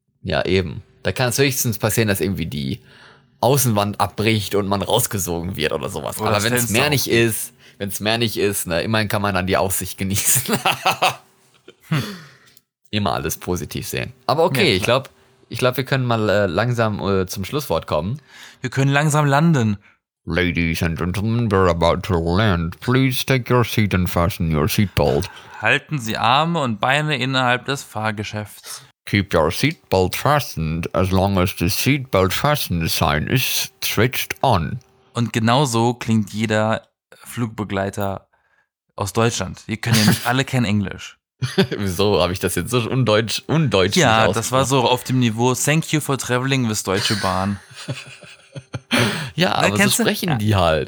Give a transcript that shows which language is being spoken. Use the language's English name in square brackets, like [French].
[German] Ja, eben, da kann es höchstens passieren, dass irgendwie die Außenwand abbricht und man rausgesogen wird oder sowas. Oder aber wenn es mehr nicht ist, ne, immerhin kann man dann die Aussicht genießen. Immer alles positiv sehen. Aber okay, ja, ich glaube, wir können mal langsam zum Schlusswort kommen. Wir können langsam landen. [English] Ladies and gentlemen, we're about to land. Please take your seat and fasten your seatbelt. [German] Halten Sie Arme und Beine innerhalb des Fahrgeschäfts. [English] Keep your seatbelt fastened as long as the seatbelt fastened sign is switched on. [German] Und genau so klingt jeder Flugbegleiter aus Deutschland. Die können ja nicht alle kennen Englisch. Wieso habe ich das jetzt so undeutsch? Ja, das war so auf dem Niveau [English] Thank you for traveling with Deutsche Bahn. [German] Ja, da aber so sprechen die halt.